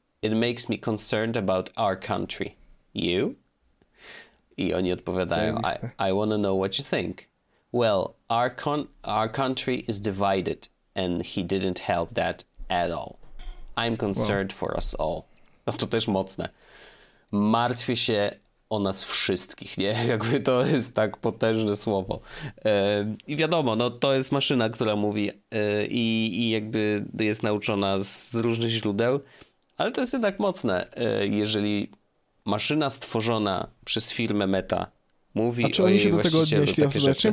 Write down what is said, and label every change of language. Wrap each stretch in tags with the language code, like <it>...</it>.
<en>It makes me concerned about our country. You?</en> <pl>I oni odpowiadają,</pl> <en>I want to know what you think. Well, our country is divided and he didn't help that at all. I'm concerned for us all.</en> <pl>No to też mocne. Martwię się o nas wszystkich, nie? Jakby to jest tak potężne słowo. I wiadomo, no to jest maszyna, która mówi i jakby jest nauczona z różnych źródeł, ale to jest jednak mocne, jeżeli maszyna stworzona przez firmę Meta mówi o jej właścicielu takie rzeczy. A czy oni się do tego odnieśli ostatecznie?</pl>